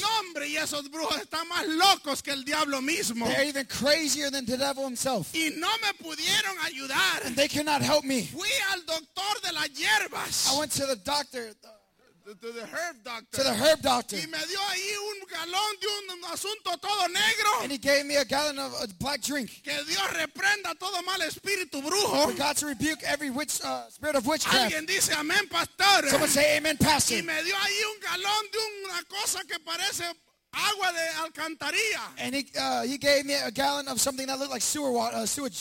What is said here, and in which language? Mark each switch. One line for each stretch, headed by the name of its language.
Spanish: No, hombre, y esos brujos están más locos que el diablo mismo.
English: They're even crazier than the devil himself.
Spanish: Y no me pudieron ayudar.
English: And they cannot help me.
Spanish: Fui al doctor de las hierbas.
English: I went to the doctor. To the herb doctor. To the herb doctor.
Spanish: Y me dio ahí un galón de un asunto todo negro.
English: And he gave me a gallon of a black drink.
Spanish: Que Dios reprenda todo mal espíritu brujo.
English: For God to rebuke every witch, spirit of witchcraft.
Spanish: Alguien dice amén, pastor.
English: Someone say amen, pastor.
Spanish: Y me dio ahí un galón de una cosa que parece agua de alcantarilla.
English: And he gave me a gallon of something that looked like sewer water, sewage.